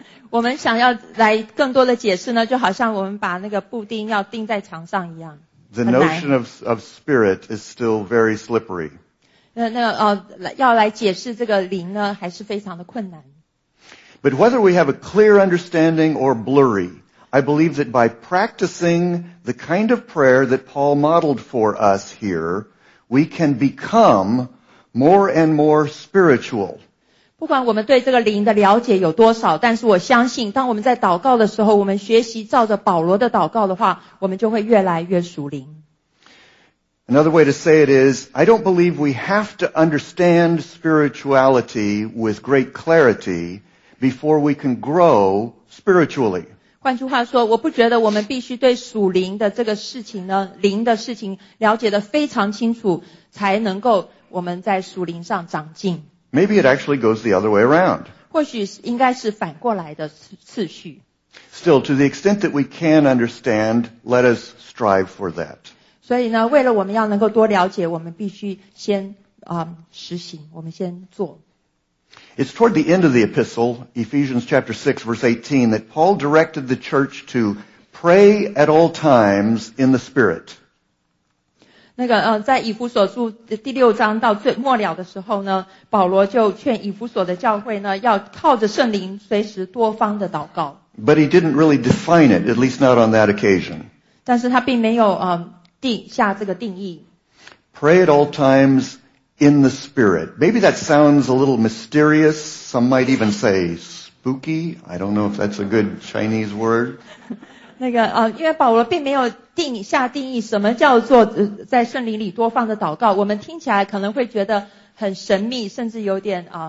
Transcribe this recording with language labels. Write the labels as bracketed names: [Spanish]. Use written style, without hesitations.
[Chinese] 我们想要来更多的解释呢，就好像我们把那个布钉要钉在墙上一样。 [English] The notion of spirit is still very slippery. [Chinese] 要来解释这个灵呢，还是非常的困难。 [English] But whether we have a clear understanding or blurry, I believe that by practicing the kind of prayer that Paul modeled for us here, we can become more and more spiritual. [Chinese] 不管我们对这个灵的了解有多少，但是我相信，当我们在祷告的时候，我们学习照着保罗的祷告的话，我们就会越来越属灵。 [English] Another way to say it is, I don't believe we have to understand spirituality with great clarity before we can grow spiritually. [Chinese] 换句话说，我不觉得我们必须对属灵的这个事情呢，灵的事情了解得非常清楚，才能够我们在属灵上长进。 [English] Maybe it actually goes the other way around. [Chinese] 或许应该是反过来的次序。 [English] Still, to the extent that we can understand, let us strive for that. [Chinese] 所以呢，为了我们要能够多了解，我们必须先实行，我们先做。 [English] It's toward the end of the epistle, Ephesians chapter 6, verse 18, that Paul directed the church to pray at all times in the Spirit. [Chinese] 在以弗所书第六章到最末了的时候呢，保罗就劝以弗所的教会呢，要靠着圣灵随时多方的祷告。 [English] But he didn't really define it, at least not on that occasion. [Chinese] 但是他并没有定下这个定义。 [English] Pray at all times in the Spirit. Maybe that sounds a little mysterious. Some might even say spooky. I don't know if that's a good Chinese word. [Chinese] 因为保罗并没有下定义什么叫做在圣灵里多放的祷告，我们听起来可能会觉得很神秘，甚至有点